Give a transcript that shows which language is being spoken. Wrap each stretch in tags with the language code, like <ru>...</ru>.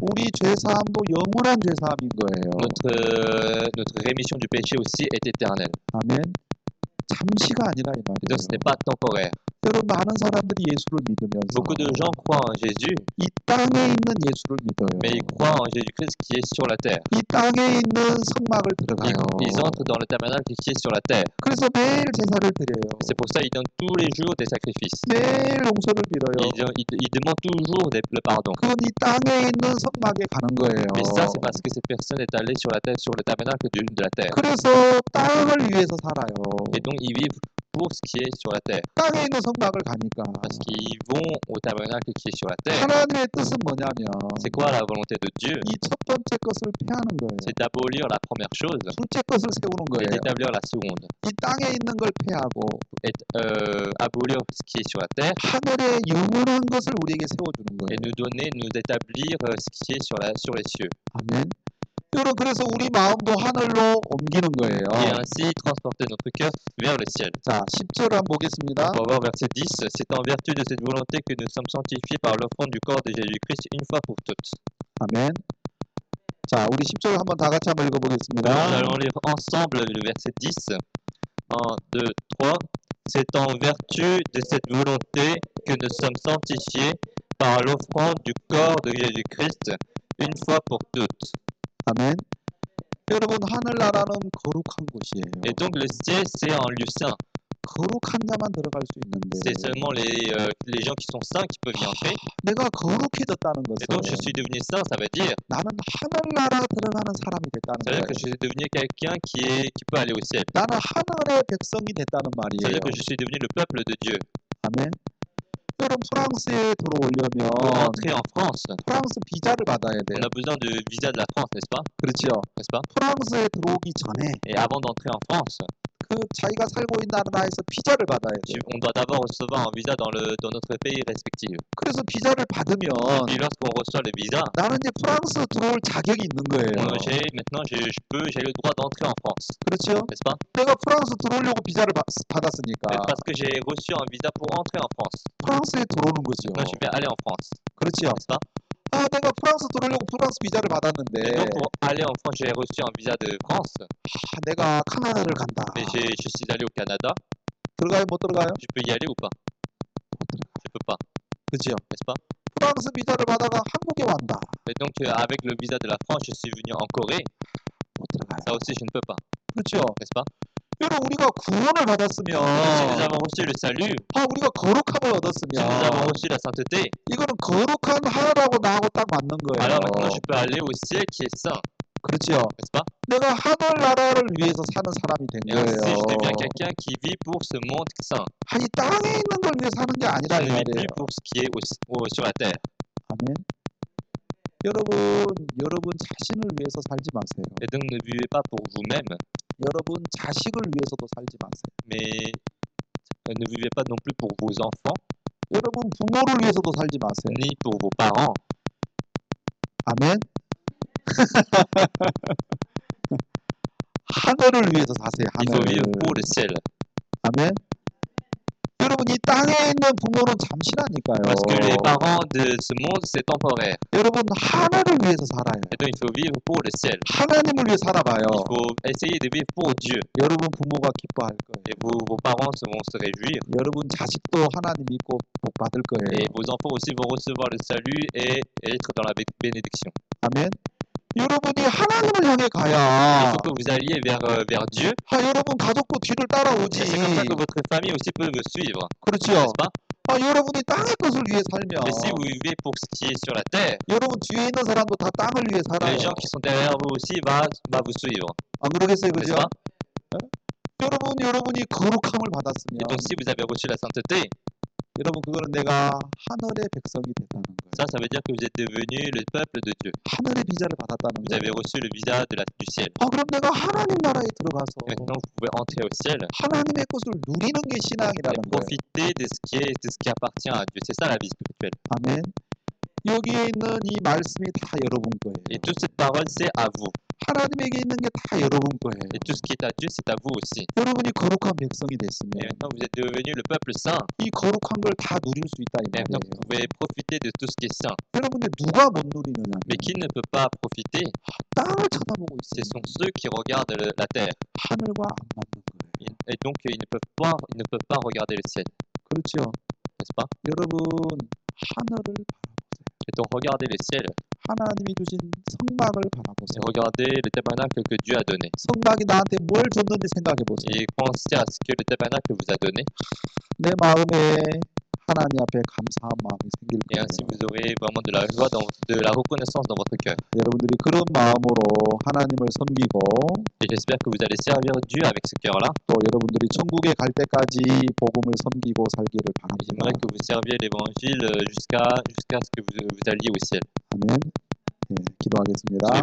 <ko>우리 죄사함도 영원한 죄사함인 거예요.</ko> <fr>Notre rémission du péché aussi est éternelle.</fr> <ko>아멘. 잠시가 아니라 이</ko> <fr>Et donc ce n'est pas temporaire.</fr> <ko>여러분, 많은 사람들이 예수를</ko> <fr>Beaucoup de gens</fr> <ko>믿으면서</ko> <fr>croient en Jésus,</fr> <ko>이 땅에 있는 예수를</ko> <fr>mais ils</fr> <ko>믿어요.</ko> <fr>croient en Jésus-Christ qui est sur la terre.</fr> <ko>이 땅에 있는 성막을</ko> <fr>Ils</fr> <ko>들어가요.</ko> <fr>entrent dans le tabernacle qui est sur la terre.</fr> <ko>그래서 매일 제사를 드려요.</ko> <fr>C'est pour ça qu'ils donnent tous les jours des sacrifices.</fr> <ko>매일 용서를</ko> <fr>Ils</fr> <ko>빌어요.</ko> <fr>demandent toujours le pardon.</fr> <ko>그건 이 땅에 있는 성막에 가는</ko> <fr>Mais ça, c'est</fr> <ko>거예요.</ko> <fr>parce que cette personne est allée sur la terre, sur le tabernacle de la terre.</fr> <ko>그래서 땅을 위해서 살아요.</ko> <fr>Et donc, ils vivent pour ce qui est sur la terre.</fr> <ko>땅에 있는 성막을 가니까</ko> <fr>Parce qu'ils vont au tabernacle qui est sur la terre.</fr> <ko>하나님의 뜻은 뭐냐면</ko> <fr>C'est quoi la volonté de Dieu?</fr> <ko>이첫 번째 것을 폐하는 거예요.</ko> <fr>C'est d'abolir la première chose</fr> <ko>둘째 것을 세우는</ko> <fr>et d'établir la seconde.</fr> <ko>이 땅에 있는 걸 폐하고</ko> <fr>abolir ce qui est sur la terre</fr> <ko>하늘의 영원한 것을 우리에게 세워주는 거예요.</ko> <fr>nous donner, nous établir ce qui est sur les cieux.</fr> <ko>아멘. 여러분, 그래서 우리 마음도 하늘로 옮기는</ko> <fr>Et</fr> <ko>거예요.</ko> <fr>ainsi transporter notre cœur vers le ciel.</fr> <ko>자, 10절 한번 보겠습니다.</ko> <fr>On va voir verset 10. C'est en vertu de cette volonté que nous sommes sanctifiés par l'offrande du corps de Jésus-Christ une fois pour toutes.</fr> <ko>아멘. 자, 우리 10절 한번 다 같이 한번</ko> <fr>Nous</fr> <ko>읽어보겠습니다.</ko> <fr>allons lire ensemble le verset 10. 1, 2, 3. C'est en vertu de cette volonté que nous sommes sanctifiés par l'offrande du corps de Jésus-Christ une fois pour toutes.</fr> <ko>아멘. 여러분, 하늘나라는 거룩한</ko> <fr>Et donc le ciel, c'est un lieu saint.</fr> <ko>거룩한 자만 들어갈 수 있는데.</ko> <fr>C'est seulement les gens qui sont saints qui peuvent y entrer.</fr> <ko>내가 거룩해졌다는</ko> <fr>Et donc je suis devenu saint, ça veut dire.</fr> <ko>나는 하늘나라 들어가는 사람이 됐다는</ko> <fr>C'est-à-dire que je suis devenu quelqu'un qui peut aller au ciel.</fr> <ko>나는 하늘의 백성이 됐다는 말이에요.</ko> <fr>C'est-à-dire que je suis devenu le peuple de Dieu.</fr> <ko>아멘. 여러분, 프랑스에 들어오려면</ko> <fr>Pour entrer en France,</fr> <ko>프랑스 비자를 받아야 돼요.</ko> <fr>On a besoin de visa de la France, n'est-ce pas?</fr> <ko>그렇죠.</ko> <fr>N'est-ce pas?</fr> <ko>프랑스에 들어오기 전에</ko> <fr>Et avant d'entrer en France,</fr> <ko>그 자기가 살고 있는 나라에서 비자를 받아야 돼요.</ko> <fr>On doit d'abord recevoir un visa dans notre pays respectif.</fr> <ko>그래서 비자를 받으면</ko> <fr>Et puis lorsqu'on reçoit le visa,</fr> <ko>나는 이제 프랑스 들어올 자격이 있는 거예요.</ko> <fr>Maintenant, j'ai le droit d'entrer en France.</fr> <ko>그렇죠.</ko> <fr>N'est-ce pas?</fr> <ko>내가 프랑스 들어오려고 비자를 받았으니까.</ko> <fr>C'est parce que j'ai reçu un visa pour entrer en France.</fr> <ko>프랑스에 들어오는 거죠.</ko> <fr>Maintenant, je vais aller en France.</fr> <ko>그렇죠.</ko> <fr>N'est-ce pas?</fr> <ko>아, 내가 프랑스 들어오려고 프랑스 비자를 받았는데.</ko> <fr>Et donc, pour aller en France, j'ai reçu un visa de France.</fr> <ko>아, 내가 캐나다를 간다.</ko> <fr>Mais je suis allé au Canada.</fr> <ko>들어가요, 못 들어가요?</ko> <fr>Je peux y aller ou pas? Je peux pas.</fr> <ko>그죠?</ko> <fr>N'est-ce pas?</fr> <ko>프랑스 비자를 받아가 한국에 왔다.</ko> <fr>Et donc, avec le visa de la France, je suis venu en Corée.</fr> <ko>못 들어가요.</ko> <fr>Ça aussi, je ne peux pas.</fr> <ko>그렇죠?</ko> <fr>N'est-ce pas?</fr> <ko>여러분, 우리가 구원을 받았으면,</ko> <fr>Si nous avons reçu le salut,</fr> <ko>아, 우리가 거룩함을 얻었으면,</ko> <fr>Si nous avons reçu la sainteté,</fr> <ko>이거는 거룩한 하늘하고 나하고 딱 맞는 거예요.</ko> <fr>Alors maintenant, je peux aller au ciel qui est saint.</fr> <ko>그렇죠.</ko> <fr>N'est-ce pas?</fr> <ko>내가 하늘 나라를 위해서 사는 사람이 된</ko> <fr>Et</fr> <ko>거예요.</ko> <fr>Ainsi, je deviens quelqu'un qui vit pour ce monde saint.</fr> <ko>아니, 땅에 있는 걸 위해 사는 게 아니라</ko> <fr>Je</fr> <ko>이 말이에요.</ko> <fr>vis pour ce qui est sur la terre.</fr> <ko>아멘. 여러분 자신을 위해서 살지 마세요.</ko> <fr>Et donc, ne vivez pas pour vous-même.</fr> <ko>여러분 자식을 위해서도 살지 마세요.</ko> <fr>Mais ne vivez pas non plus pour vos enfants.</fr> <ko>여러분 부모를 위해서도 살지 마세요.</ko> <fr>Ni pour vos parents.</fr> <ko>아멘. 하늘을 위해서 사세요.</ko> <fr>Il faut vivre pour le ciel.</fr> <ko>아멘. 여러분 이 땅에 있는 부모는 잠시라니까요.</ko> <fr>Parce que les parents de ce monde, c'est temporaire.</fr> <ko>여러분 하나님을 위해서 살아요.</ko> <fr>Et donc, il faut vivre pour le ciel.</fr> <ko>하나님을 위해 살아봐요.</ko> <fr>Il faut essayer de vivre pour Dieu.</fr> <ko>여러분 부모가 기뻐할 거예요.</ko> <fr>Et vos parents vont se réjouir.</fr> <ko>여러분 자식도 하나님 믿고 복 받을 거예요.</ko> <fr>Et vos enfants aussi vont recevoir le salut et être dans la bénédiction.</fr> <ko>아멘. 여러분이 하나님을 향해 가야.</ko> <fr>Il faut que vous alliez vers Dieu.</fr> <ko>아, 여러분 가족도 뒤를 따라오지.</ko> <fr>C'est comme ça que votre famille aussi peut vous suivre.</fr> <ko>그렇죠.</ko> <fr>N'est-ce pas?</fr> <ko>아, 여러분이 땅의 것을 위해 살면.</ko> <fr>Mais si vous vivez pour ce qui est sur la terre.</fr> <ko>여러분 뒤에 있는 사람도 다 땅을 위해 살아요.</ko> <fr>Les gens qui sont derrière vous aussi va vous suivre.</fr> <ko>안 그러겠어요, 그죠?</ko> <fr>N'est-ce pas?</fr> <ko>여러분이 거룩함을</ko> <fr>Et donc, si</fr> <ko>받았으면</ko> <fr>vous avez reçu la sainteté,</fr> <ko>여러분 그거는 내가 하늘의 백성이 됐다는</ko> <fr>ça veut dire que vous êtes devenu le peuple de Dieu.</fr> <ko>하늘의 비자를 받았다는</ko> <fr>Vous avez</fr> <ko>거예요.</ko> <fr>reçu le visa du ciel.</fr> <ko>아, 그럼 내가 하나님 나라에</ko> <fr>Maintenant,</fr> <ko>들어가서</ko> <fr>vous pouvez entrer au ciel</fr> <ko>하나님의 것을 누리는 게</ko> <fr>et</fr> <ko>신앙이라는 거예요.</ko> <fr>profiter de ce qui appartient à Dieu. C'est ça la vie spirituelle.</fr> <ko>아멘. 여기에 있는 이 말씀이 다 여러분</ko> <fr>Et</fr> <ko>거예요.</ko> <fr>toutes ces paroles, c'est à vous.</fr> <ko>하나님에게 있는 게다 여러분</ko> <fr>Et</fr> <ko>거예요.</ko> <fr>tout ce qui est à Dieu, c'est à vous aussi.</fr> <ko>여러분이 거룩한 백성이</ko> <fr>Et</fr> <ko>됐으면</ko> <fr>maintenant, vous êtes devenu le peuple saint.</fr> <ko>이 거룩한 걸다 누릴 수 있다 이</ko> <fr>Et maintenant, vous</fr> <ko>말이에요.</ko> <fr>pouvez profiter de tout ce qui est saint.</fr> <ko>여러분이 누가 못 누리느냐면</ko> <fr>Mais qui ne peut pas profiter?</fr> <ko>땅을 쳐다보고</ko> <fr>Ce</fr> <ko>있으면</ko> <fr>sont ceux qui regardent la terre.</fr> <ko>하늘과 안 맞는</ko> <fr>Et donc, ils ne peuvent pas regarder le ciel.</fr> <ko>거예요. 그렇죠?</ko> <fr>N'est-ce pas?</fr> <ko>여러분 하늘을</ko> <fr>Et donc, regardez le ciel.</fr> <ko>하나님이 주신 성막을</ko> <fr>Et</fr> <ko>바라보세요.</ko> <fr>regardez le tabernacle que Dieu a donné.</fr> <ko>성막이 나한테 뭘 줬는지 생각해 보세요.</ko> <fr>Et pensez à ce que le tabernacle vous a donné.</fr> <ko>내 마음에 하나님 앞에 감사한 마음이 생길</ko> <fr>Et ainsi, vous aurez vraiment de la joie, de la reconnaissance dans votre cœur.</fr> <ko>여러분들이 그런 마음으로 하나님을 섬기고</ko> <fr>Et j'espère que vous allez servir Dieu avec ce cœur-là.</fr> <ko>또 여러분들이 천국에 갈 때까지 복음을 섬기고 살기를 바랍니다.</ko> <fr>J'aimerais que vous serviez l'évangile jusqu'à ce que vous alliez au ciel.</fr> <ko>아멘. 네, 기도하겠습니다.</ko>